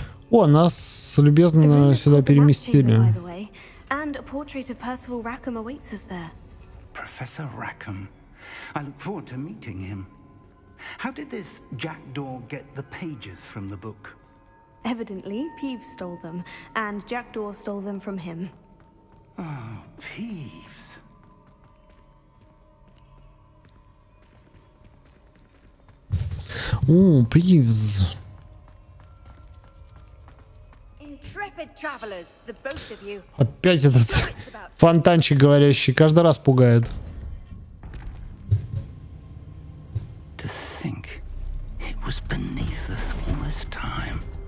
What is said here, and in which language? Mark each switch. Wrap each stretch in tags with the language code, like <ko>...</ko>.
<ru>О, нас любезно сюда переместили.</ru> <en>And a portrait of Percival Rackham awaits us there. Professor Rackham. I look forward to meeting him. How did this Jackdaw get the pages from the book? Evidently, Peeves stole them, and Jackdaw stole them from him. Oh, Peeves. Oh, Peeves. Intrepid travelers, the both of you.</en> <ru>Опять этот фонтанчик говорящий каждый раз пугает.</ru> <en>To think it was beneath us all this time.</en>